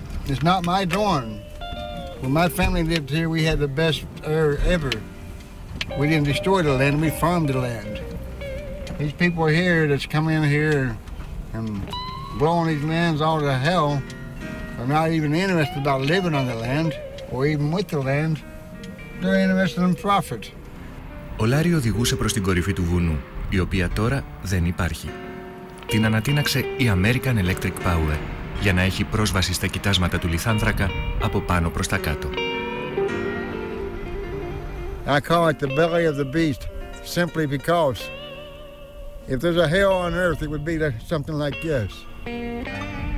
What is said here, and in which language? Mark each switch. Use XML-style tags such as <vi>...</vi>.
<en>It's not my dorm. When my family lived here, we had the best air ever. We didn't destroy the land, we farmed the land. These people here that's come in here and blowing these lands all to hell are not even interested about living on the land or even with the land. They're interested in profit.</en> <el>Ο Λάρι οδηγούσε προς την κορυφή του βουνού, η οποία τώρα δεν υπάρχει. Την ανατείναξε η American Electric Power για να έχει πρόσβαση στα κοιτάσματα του Λιθάνθρακα από πάνω προς τα κάτω.</el> <en>I call it the belly of the beast, simply because if there's a hell on earth, it would be something like this.</en>